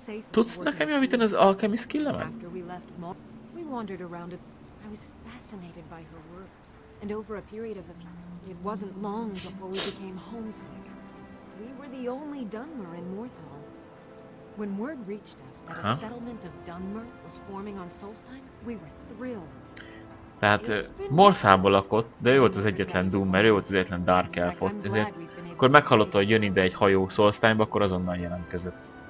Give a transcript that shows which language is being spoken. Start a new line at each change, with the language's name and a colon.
Hungarian: Tudsz nekem javítani az alchemy skill-emet?
English: We wandered around it. I was fascinated by her work, and over a period of a few, it wasn't long before we became homesick. We were the only Dunmer in Morthal. When word reached us that a settlement of Dunmer was forming on Solstheim, we were thrilled.
Hungarian: Tehát Morthalból lakott, de ő volt az egyetlen Dunmer, ő volt az egyetlen Dark Elf ott, ezért akkor meghallotta, hogy jön ide egy hajó Solstheimba, akkor azonnal jelentkezett.